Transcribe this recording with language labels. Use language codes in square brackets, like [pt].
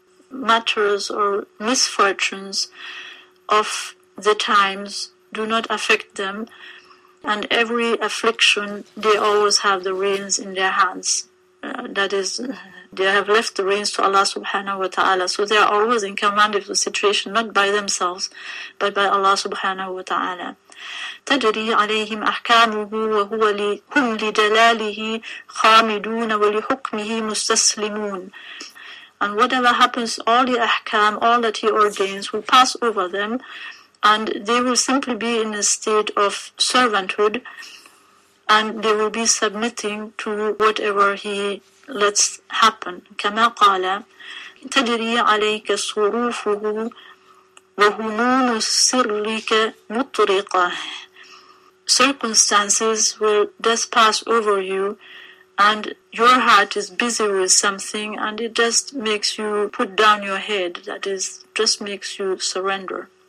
[en] Matters or misfortunes of the times do not affect them, and every affliction, they always have the reins in their hands. That is, they have left the reins to Allah subhanahu wa ta'ala, so they are always in command of the situation, not by themselves, but by Allah subhanahu wa ta'ala. [ar] تجري عليهم أحكامه وهو لهم لجلاله خامدون ولحكمه مستسلمون. [en] And whatever happens, all the ahkam, all that he ordains, will pass over them, and they will simply be in a state of servanthood, and they will be submitting to whatever he lets happen. [ar] كما قال تجري عليك صروفه وهموم سرك مطرقة. [en] Circumstances will just pass over you, and your heart is busy with something, and it just makes you put down your head, that is, just makes you surrender.